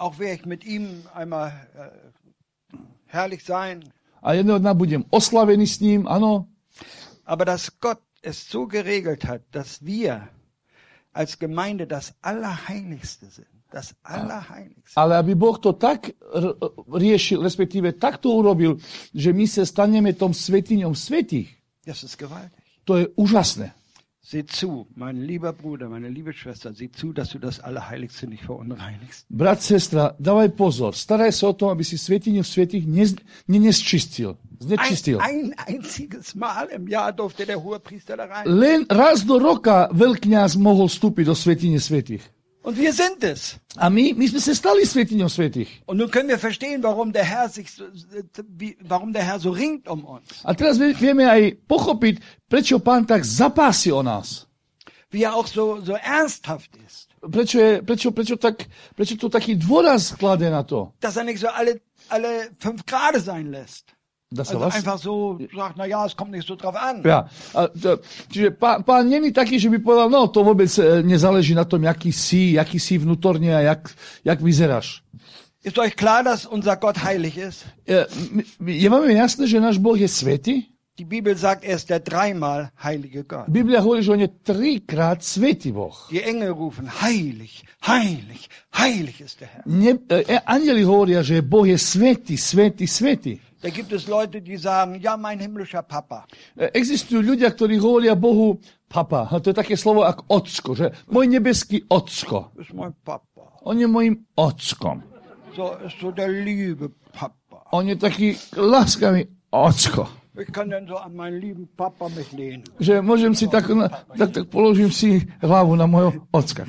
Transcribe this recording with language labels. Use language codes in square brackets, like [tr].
[de] Auch werde ich mit ihm einmal herrlich sein. [sk] A jedného dňa budem oslavený s ním, áno. [de] Aber dass Gott es so geregelt hat, dass wir als Gemeinde das Allerheiligste sind. Das Allerheiligste. [sk] Ale aby Boh to tak riešil, respektíve tak to urobil, že my sa staneme tom svätyňou svätých. [de] Das ist gewaltig. [sk] To je úžasné. [de] Sieh zu, mein lieber Bruder, meine liebe Schwester, sieh zu, dass du das Allerheiligste nicht verunreinigst. [sk] Brat, sestra, dávaj pozor. Staraj sa o tom, aby si svätyňu svätých znečistil. [de] Einziges Mal im Jahr durfte der Hohepriester da rein. [sk] Len raz do roka veľkňaz mohol vstúpiť do svätyne svätých. [de] Und wir sind es. [sk] A my sme sa stali svätyňou svätých. [de] Und nun können wir verstehen, warum der Herr so ringt um uns. [sk] A teraz vieme aj pochopiť, prečo Pán tak zapási o nás. [de] Wie er auch so ernsthaft ist. [sk] Prečo to taký dôraz klade na to? [de] Dass er nicht so alle 5 Grad sein lässt. Also was? Einfach so sagt, na ja, es kommt nicht so drauf an. [sk] Ja, čiže pán není taký, že by povedal, no, to vôbec nezáleží na tom, jaký si vnútorne a jak vyzeráš. [de] Ist euch klar, dass unser Gott heilig ist? [sk] Je vám jasné, že náš Boh je svätý? [de] Die Bibel sagt, er ist der dreimal heilige Gott. [sk] Biblia hovorí, že on je trikrát svätý Boh. [de] Die Engel rufen, heilig, heilig, heilig ist der Herr. [sk] Anjeli hovoria, že Boh je svätý, svätý, svätý. [de] Da gibt es Leute, die sagen, ja, mein himmlischer Papa. [sk] Existujú ľudia, ktorí hovoria Bohu Papa. To je také slovo ako Otcko, že? Môj nebeský Otcko. [de] Ist mein Papa. [sk] On je môjim Otckom. [de] So, so der liebe Papa. [sk] On je taký láskavý Otcko. [de] Ich kann dann so an meinen lieben Papa mich lehnen. [sk] Že môžem si tak, tak položím si hlavu na mojho Otcka.